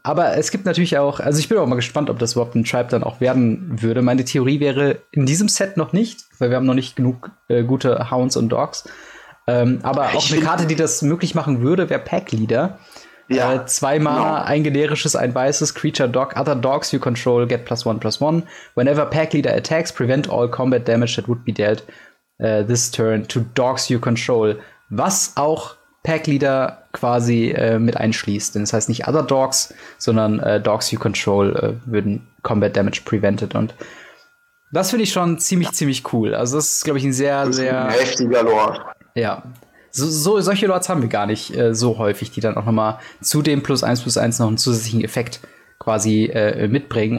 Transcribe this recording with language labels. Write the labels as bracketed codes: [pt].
[de] Aber es gibt natürlich auch, also ich bin auch mal gespannt, ob das überhaupt ein Tribe dann auch werden würde. Meine Theorie wäre, in diesem Set noch nicht, weil wir haben noch nicht genug gute Hounds und Dogs. Aber auch eine Karte, die das möglich machen würde, wäre Pack Leader. Ja. Zwei Mana, ein generisches, ein weißes [en] Creature Dog, other dogs you control get +1/+1. Whenever Pack Leader attacks, prevent all combat damage that would be dealt this turn to dogs you control. [de] Was auch Packleader quasi mit einschließt. Denn das heißt nicht Other Dogs, sondern Dogs You Control würden Combat Damage prevented. Und das finde ich schon ziemlich cool. Also das ist, glaube ich, ein sehr, sehr ein heftiger Lord. Ja. Solche Lords haben wir gar nicht so häufig, die dann auch noch mal zu dem +1/+1 noch einen zusätzlichen Effekt quasi mitbringen.